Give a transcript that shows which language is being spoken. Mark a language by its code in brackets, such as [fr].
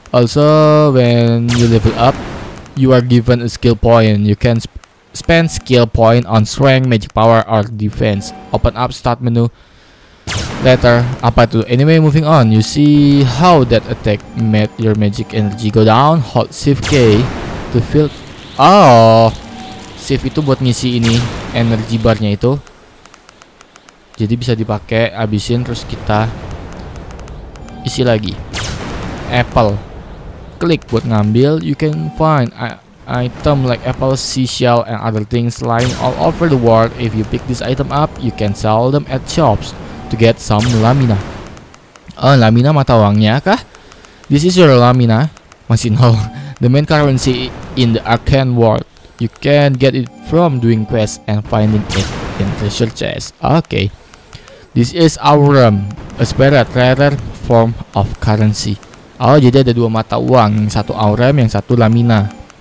[en] Also, when you level up, you are given a skill point. You can spend skill point on strength, magic power, or defense. Open up start menu. Later, [id] apa itu? [en] Anyway, moving on. You see how that attack made your magic energy go down? Hold Shift K to fill. [id] Oh, Shift itu buat ngisi ini energy barnya itu. Jadi bisa dipakai, abisin terus kita isi lagi. Apple. Klik buat ngambil. [en] You can find item like apple, seashell, and other things lying all over the world. If you pick this item up, you can sell them at shops to get some lamina. [id] Oh, lamina mata uangnya kah? [en] This is your lamina. [id] Masih nol. [en] The main currency in the arcane world. You can get it from doing quests and finding it in treasure chest. Okay. This is aurum, a spare rare form of currency. [id] Oh, jadi ada dua mata uang, yang satu aurum, yang satu lamina.